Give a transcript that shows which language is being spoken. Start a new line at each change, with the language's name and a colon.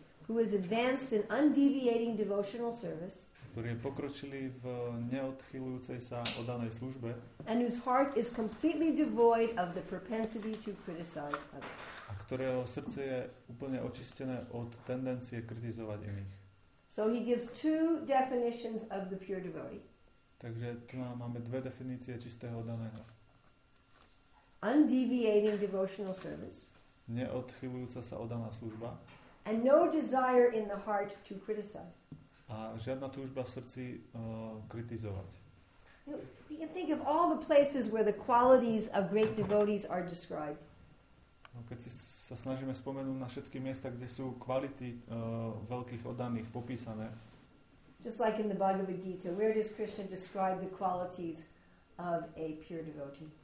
English: Who is advanced in undeviating devotional service.
Slovak: Ktorý je pokročilý v neodchýľujúcej sa oddanej službe.
English: And whose heart is completely devoid of the propensity to criticize others.
Slovak: Ktorého srdce je úplne očistené od tendencie kritizovať iných.
English: So he gives two definitions of the pure devotee.
Slovak: Takže tu máme dve definície čistého oddaného.
English: Undeviating devotional service.
Slovak: Neodchýľujúca sa oddaná služba.
English: And no desire in the heart to criticize.
Slovak: A žiadna túžba v srdci kritizovať.
English: You can think of all the places where the qualities of great devotees are described.
Slovak: Keď si sa snažíme spomenúť na všetky miesta, kde sú kvality veľkých oddaných popísané.
English: Just like in the Bhagavad Gita, where does Krishna describe the qualities of a pure devotee?